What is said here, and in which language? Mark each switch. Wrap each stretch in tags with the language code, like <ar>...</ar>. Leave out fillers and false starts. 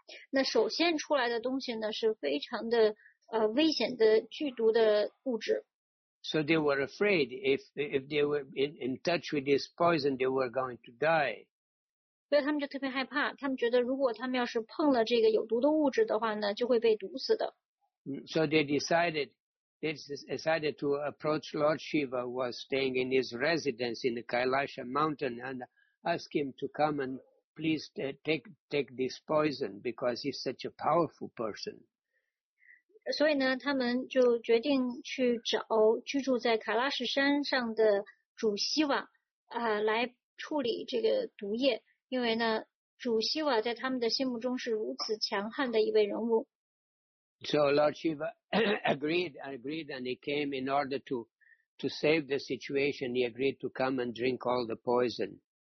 <zh>那首先出来的东西呢是非常的危险的剧毒的物质。</zh> <en>So they were afraid if they were in touch with this poison, they were going to die.</en> <zh>所以他们就特别害怕，他们觉得如果他们要是碰了这个有毒的物质的话呢，就会被毒死的。</zh> <en>So they decided to approach Lord Shiva, who was staying in his residence in the Kailasha mountain, and ask him to come and please take this poison because he's such a powerful person.</en> <zh>所以呢，他们就决定去找居住在卡拉什山上的主希瓦来处理这个毒液，因为呢，主希瓦在他们的心目中是如此强悍的一位人物。</zh> <en>So Lord Shiva agreed, and he came in order to save the situation. He agreed to come and drink all the poison.</en>